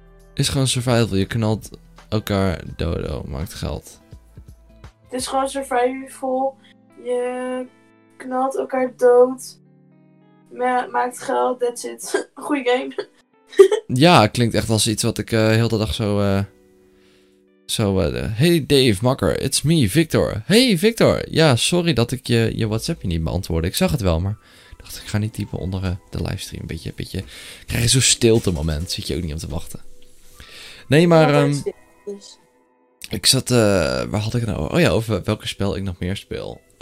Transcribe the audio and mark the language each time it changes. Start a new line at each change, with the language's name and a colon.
Dutch: Het is gewoon survival, je knalt elkaar dodo, maakt geld. Het is gewoon survival, je knalt elkaar dood, maakt geld,
English: that's it.
Dutch: Goeie game. Ja, klinkt echt als iets wat ik heel de dag zo
English: Zo, hey Dave, makker, it's me, Victor.
Dutch: Hey Victor, ja, sorry dat ik je WhatsAppje niet beantwoordde. Ik zag het wel, maar dacht ik ga niet typen onder de livestream. Een beetje, krijg je zo'n stilte moment. Zit je ook niet om te wachten. Nee, maar ik zat, waar had ik het nou over? Oh ja, over welke spel ik nog meer speel.